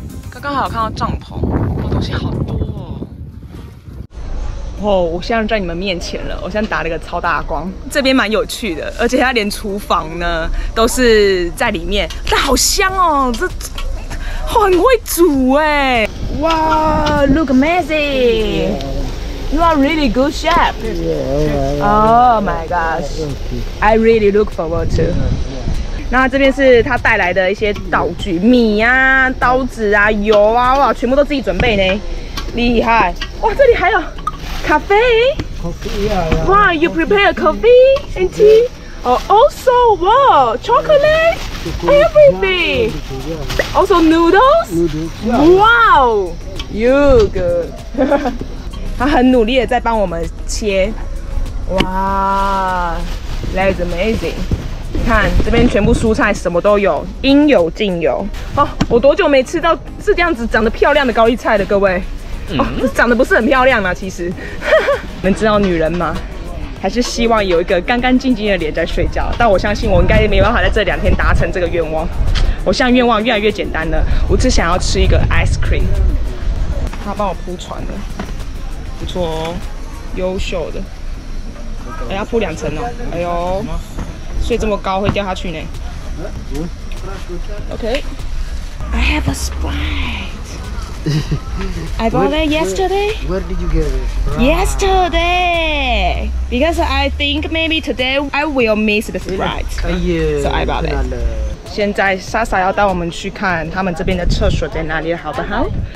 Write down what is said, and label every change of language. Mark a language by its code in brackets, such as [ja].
[zh] 刚刚好看到帐篷，哇，东西好多哦。哦，我现在在你们面前了，我现在打了个超大光，这边蛮有趣的，而且它连厨房呢都是在里面，但好香哦，这很会煮哎。 [en] 哇 ，look amazing。 You are really good chef. Yeah, oh my gosh, I really look forward to. Yeah, yeah. [zh] 那这边是他带来的一些道具，米啊、刀子啊、油啊，哇，全部都自己准备呢，厉害！哇，这里还有咖啡。 [en] Coffee, yeah, yeah. Wow, you prepare coffee and tea. Oh, also, wow, chocolate, everything. Also noodles. Wow, you good. [zh] 他很努力的在帮我们切，哇 ， [en] that's amazing！ [zh] 看这边全部蔬菜什么都有，应有尽有。哦，我多久没吃到是这样子长得漂亮的高丽菜了，各位？哦，长得不是很漂亮啊，其实。你们知道女人吗？还是希望有一个干干净净的脸在睡觉。但我相信我应该没办法在这两天达成这个愿望。我现在愿望越来越简单了，我只想要吃一个 ice cream。他帮我铺床了。不错哦，优秀的，哎，要铺两层哦，哎呦，睡这么高会掉下去呢。 [en] OK， I have a Sprite. I bought it yesterday. Where did you get it? Yesterday, because I think maybe today I will miss the Sprite. So I bought it. [zh] 现在莎莎要带我们去看他们这边的厕所在哪里，好不好？